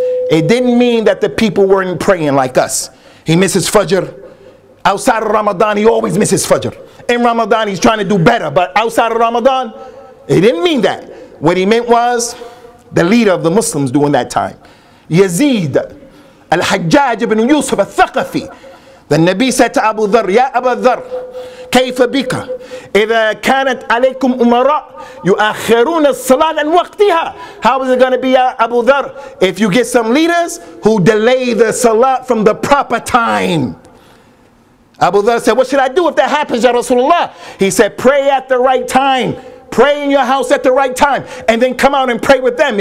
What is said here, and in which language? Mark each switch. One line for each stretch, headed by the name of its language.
English: It didn't mean that the people weren't praying like us. He misses Fajr. Outside of Ramadan, he always misses Fajr. In Ramadan, he's trying to do better, but outside of Ramadan, it didn't mean that. What he meant was the leader of the Muslims during that time, Yazid, Al-Hajjaj ibn Yusuf al-Thaqafi. The Nabi said to Abu Dharr,
Arabic: Ya Abu Dharr, كيف بك إذا كانت عليكم أمراء يؤخرون الصلاة عن وقتها.
English: How is it going to be, Ya Abu Dharr, if you get some leaders who delay the Salat from the proper time? Abu Dhar said, what should I do if that happens, Ya Rasulullah? He said, pray at the right time. Pray in your house at the right time. And then come out and pray with them.